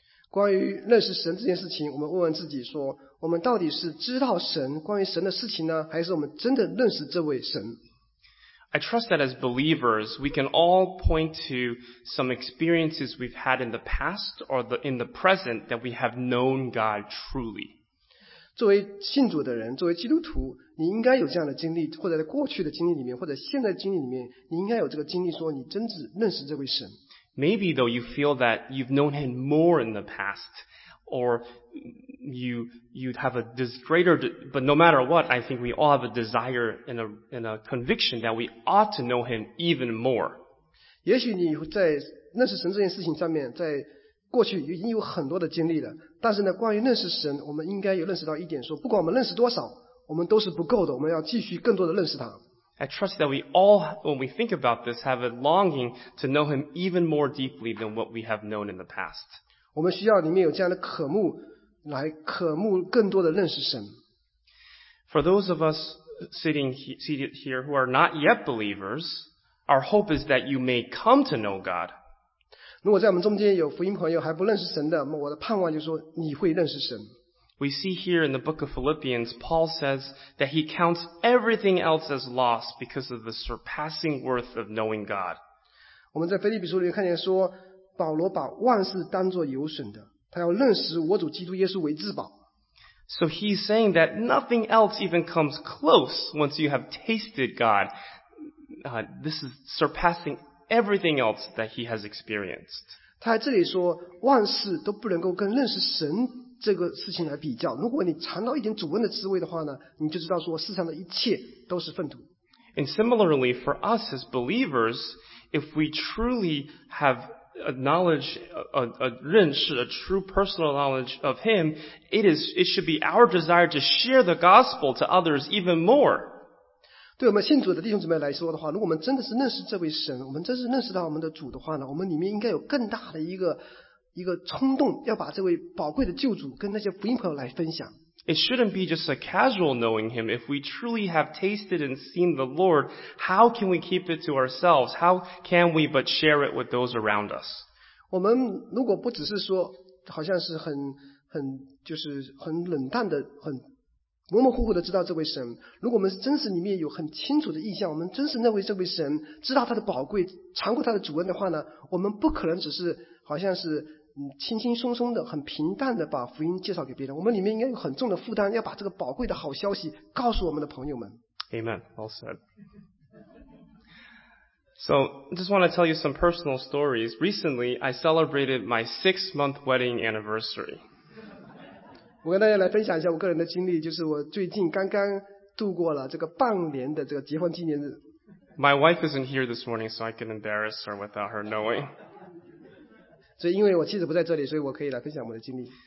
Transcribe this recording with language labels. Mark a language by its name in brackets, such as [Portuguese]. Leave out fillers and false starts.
[Chinese] 关于认识神这件事情，我们问问自己说，我们到底是知道神，关于神的事情呢，还是我们真的认识这位神？ [English] I trust that as believers, we can all point to some experiences we've had in the past or in the present that we have known God truly. [Chinese] 作为信主的人，作为基督徒，你应该有这样的经历，或者在过去的经历里面，或者现在的经历里面，你应该有这个经历，说你真正认识这位神。 [English] Maybe though you feel that you've known him more in the past, or you'd have a greater. But no matter what, I think we all have a desire and a conviction that we ought to know him even more. [Chinese] 也许你在认识神这件事情上面，在过去已经有很多的经历了，但是呢，关于认识神，我们应该有认识到一点，说不管我们认识多少，我们都是不够的，我们要继续更多的认识他。 [English] I trust that we all, when we think about this, have a longing to know him even more deeply than what we have known in the past. [Chinese] 我们需要里面有这样的渴慕，来渴慕更多的认识神。 [English] For those of us seated here who are not yet believers, our hope is that you may come to know God. [Chinese] 如果在我们中间有福音朋友还不认识神的，我的盼望就是说你会认识神。 [English] We see here in the book of Philippians, Paul says that he counts everything else as loss because of the surpassing worth of knowing God. [Chinese] 我们在腓立比书里面看见说，保罗把万事当作有损的，他要认识我主基督耶稣为至宝。 [English] So he's saying that nothing else even comes close once you have tasted God. This is surpassing everything else that he has experienced. [Chinese] 他在这里说，万事都不能够跟认识神这个事情来比较，如果你尝到一点主恩的滋味的话呢，你就知道说世上的一切都是粪土。 [English] And similarly, for us as believers, if we truly have a knowledge, a true personal knowledge of Him, it should be our desire to share the gospel to others even more. [Chinese] 对我们信主的弟兄姊妹来说的话，如果我们真的是认识这位神，我们真是认识到我们的主的话呢，我们里面应该有更大的一个冲动，要把这位宝贵的救主跟那些福音朋友来分享。 [English] It shouldn't be just a casual knowing him. If we truly have tasted and seen the Lord, how can we keep it to ourselves? How can we but share it with those around us? [Chinese] 我们如果不只是说，好像是很就是很冷淡的、很模模糊糊的知道这位神，如果我们真实里面有很清楚的印象，我们真实认为这位神知道他的宝贵、尝过他的主恩的话呢，我们不可能只是。好像是轻轻松松的很平淡的把福音介绍给别人，我们里面应该有很重的负担，要把这个宝贵的好消息告诉我们的朋友们。 [English] Amen, well said. So, I just want to tell you some personal stories. Recently, I celebrated my 6-month wedding anniversary. [Chinese] 我跟大家来分享一下我个人的经历，就是我最近刚刚度过了这个半年的这个结婚纪念日。 [English] My wife isn't here this morning, so I can embarrass her without her knowing. [Chinese] So, 因为我妻子不在这里，所以我可以来分享我的经历。